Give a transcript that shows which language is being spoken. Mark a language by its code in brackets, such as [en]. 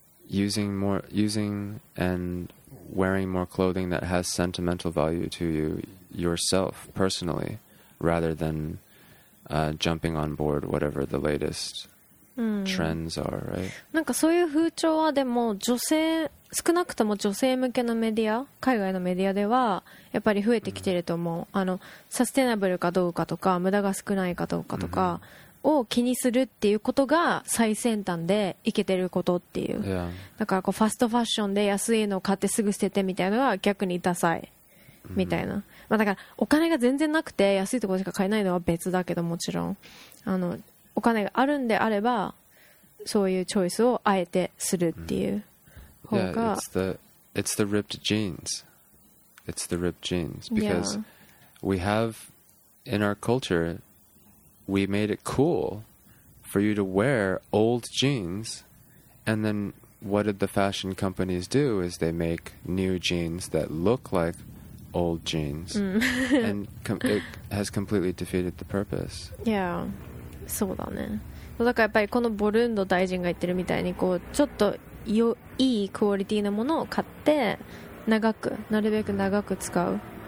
[en] Using and wearing more clothing that has sentimental value to you yourself personally, rather than、jumping on board whatever the latest、trends are, right? [ja] なんかそういう風潮はでも女性、少なくとも女性向けのメディア、海外のメディアではやっぱり増えてきてると思う。あのサステナブルかどうかとか、無駄が少ないかどうかとか。を気にするっていうことが最先端でイケてることっていう、だからこうファストファッションで安いのを買ってすぐ捨ててみたいなのが逆にダサいみたいな、まあ、だからお金が全然なくて安いところしか買えないのは別だけど、もちろんあのお金があるんであればそういうチョイスをあえてするっていう方が、 [en] It's the ripped jeans. It's the ripped jeans. Because we have in our culturewe made it cool for you to wear old jeans, and then what did the fashion companies do is they make new jeans that look like old jeans、and it has completely defeated the purpose. Yeah, [ja] そうだね。だからやっぱりこのボルンド大臣が言ってるみたいに、こうちょっと良いクオリティのものを買って長く、なるべく長く使う。